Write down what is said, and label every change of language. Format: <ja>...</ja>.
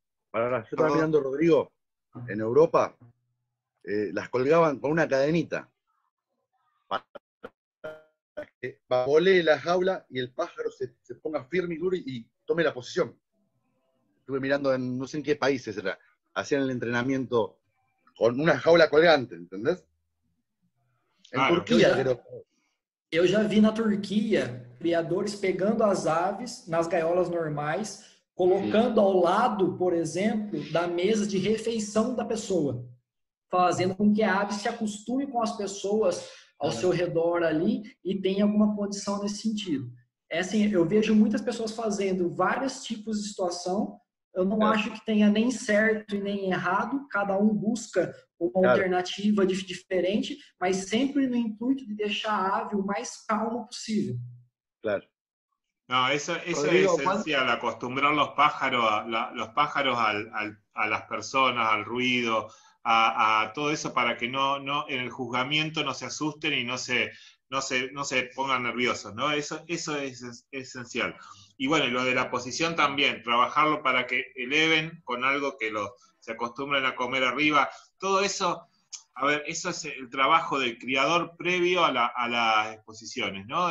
<es>para la ayuda mirando, Rodrigo, en Europa las colgaban con una cadenita para que volee la jaula y el pájaro se ponga firme y duro y tome la posición. Estuve mirando en no sé en qué países era, hacían el entrenamiento con una jaula colgante, ¿entendés? En Turquía, creo. Yo ya vi en Turquía criadores pegando las aves en las gaiolas</es> <pt>normales, colocando ao lado, por exemplo, da mesa de refeição da pessoa, fazendo com que a ave se acostume com as pessoas ao seu redor ali e tenha alguma condição nesse sentido. É assim, eu vejo muitas pessoas fazendo vários tipos de situação, eu não acho que tenha nem certo e nem errado, cada um busca uma alternativa diferente, mas sempre no intuito de deixar a ave o mais calma possível. Claro.</pt> <es>No, eso Rodrigo, es esencial, ¿cuál? Acostumbrar los pájaros a las personas, al ruido, a todo eso para que no en el juzgamiento no se asusten y no se pongan nerviosos, ¿no? Eso es esencial. Y bueno, y lo de la posición también, trabajarlo para que eleven con algo que se acostumbren a comer arriba, todo eso, a ver, eso es el trabajo del criador previo a las exposiciones, ¿no?</es>